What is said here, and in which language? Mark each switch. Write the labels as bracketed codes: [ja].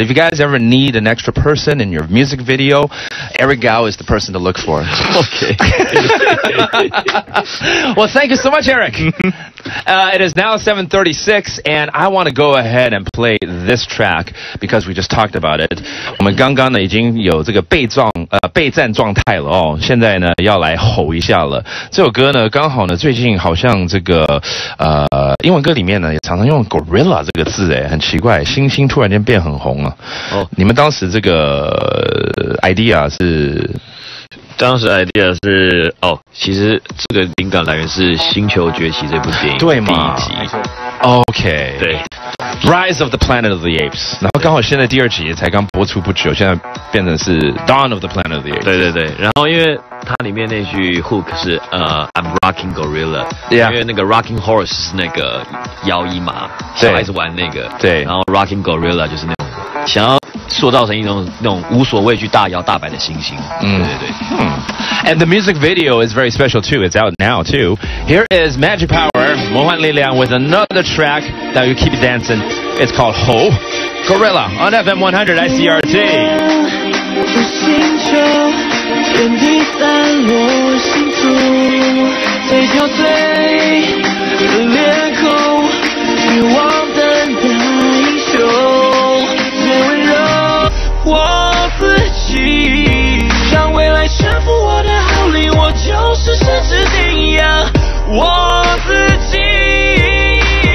[en] If you guys ever need an extra person in your music video, Eric Gao is the person to look for. Okay. Well, thank you so much, Eric. It is now 7:36, and I want to go ahead and play this track because we just talked about it. [zh] 我们刚刚呢已经有这个备战状态了哦，现在呢要来吼一下了。这首歌呢刚好呢最近好像这个英文歌里面呢也常常用 gorilla 这个字，哎，很奇怪，星星突然间变很红了。哦，你们当时这个idea 是？当时 idea 是哦，其实这个灵感来源是《星球崛起》这部电影，对吗？第一集。 [en] OK， [zh] 对， 《Rise of the Planet of the Apes》。 然后刚好现在第二集才刚播出不久，现在变成是《Dawn of the Planet of the Apes》。对对对。然后因为它里面那句 hook 是 [en] I'm rocking gorilla， yeah， [zh] 因为那个 rocking horse 是那个摇椅马，小孩子玩那个。对。然后 rocking gorilla 就是那种想要塑造成一种无所畏惧、大摇大摆的星星。嗯，对对。 [en] And the music video is very special too. It's out now too. Here is Magic Power, 魔幻力量 with another track that you keep dancing. It's called Ho, Gorilla on FM 100 ICRT. [zh] 我星球天地散落星宿最憔悴的脸孔欲望等待英雄最温柔我自己让未来臣服我的号令我就是神之顶仰我自己